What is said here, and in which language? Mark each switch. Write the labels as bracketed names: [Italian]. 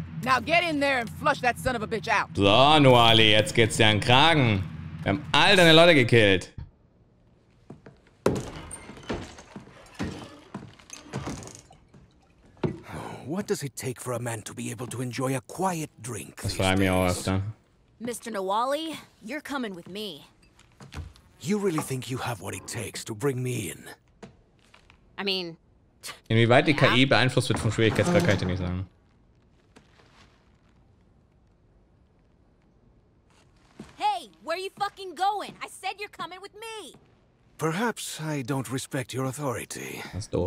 [English] Now get in there and flush that son of a bitch out. [German] So, Nuali, jetzt geht's dir an den Kragen. Wir haben all deine Leute gekillt. [English] What does it take for a man to be able to enjoy a quiet drink? [German] Das frage ich mich auch öfter. [English] Mr. Nuali, you're coming with me. You really think you have what it takes to bring me in? I mean, [German] inwieweit die KI beeinflusst wird vom Schwierigkeitsgrad, kann ich dir nicht sagen. [English] Hey, where are you fucking going? I said you're coming with me. Perhaps I don't respect your authority. [German] Das ist doof.